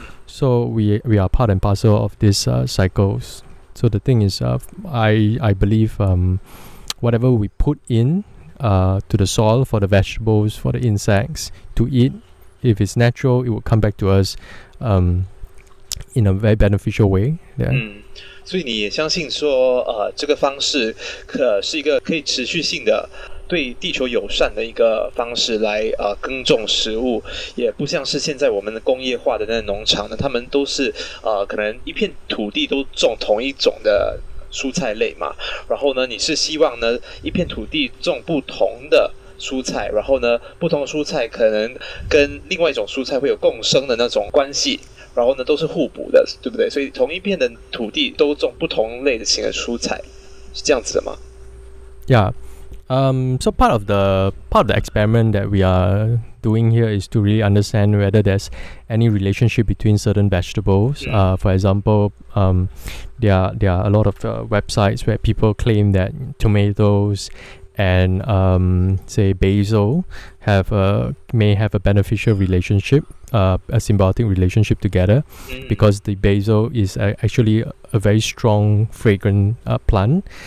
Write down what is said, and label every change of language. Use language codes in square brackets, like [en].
[en] So we are part and parcel of this cycles. So the thing is, I believe whatever we put in to the soil, for the vegetables, for the insects to eat, if it's natural, it will come back to us in a very beneficial way. Yeah. Mm. [zh] 所以你也相信说这个方式是一个可以持续性的对地球友善的一个方式来耕种食物，也不像是现在我们的工业化的那农场呢，他们都是可能一片土地都种同一种的蔬菜类嘛，然后呢你是希望呢一片土地种不同的蔬菜，然后呢不同的蔬菜可能跟另外一种蔬菜会有共生的那种关系，然后呢都是互补的，对不对？所以同一片的土地都种不同类型的蔬菜，是这样子的吗？ [en] Yeah. So part of the experiment that we are doing here is to really understand whether there's any relationship between certain vegetables. For example, there are a lot of websites where people claim that tomatoes and say basil may have a beneficial relationship, a symbiotic relationship together, because the basil is actually a very strong fragrant plant.